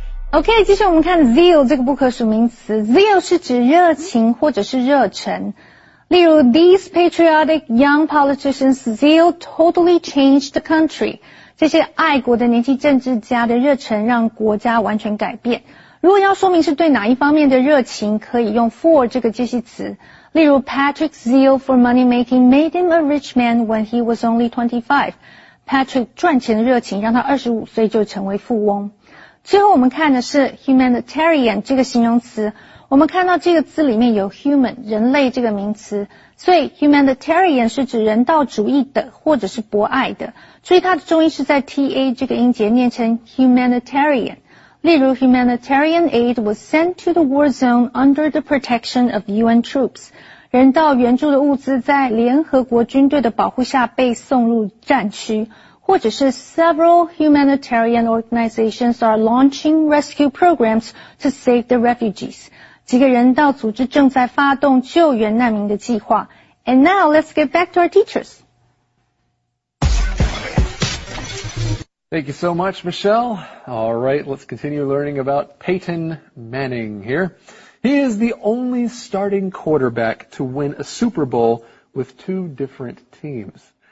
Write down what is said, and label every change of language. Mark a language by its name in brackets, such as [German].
[Chinese] OK, 继续我们看 zeal 这个不可数名词。zeal 是指热情或者是热忱。例如 [English] ,these patriotic young politicians zeal totally changed the country. [Chinese] 这些爱国的年轻政治家的热忱让国家完全改变。如果要说明是对哪一方面的热情可以用 for 这个介系词。例如 [English] ,Patrick's zeal for money making made him a rich man when he was only 25. [Chinese] Patrick 赚钱的热情让他25岁就成为富翁。最后我们看的是 humanitarian 这个形容词，我们看到这个字里面有 human 人类这个名词，所以 humanitarian 是指人道主义的或者是博爱的，注意它的重音是在 TA 这个音节，念成 humanitarian。例如 [English] humanitarian aid was sent to the war zone under the protection of UN troops， [Chinese] 人道援助的物资在联合国军队的保护下被送入战区。或者是 [English] several humanitarian organizations are launching rescue programs to save the refugees. [Chinese] 几个人道组织正在发动救援难民的计划。 [English] And now let's get back to our teachers. Thank you so much, Michelle. All right, let's continue learning about Peyton Manning here. He is the only starting quarterback to win a Super Bowl with two different teams.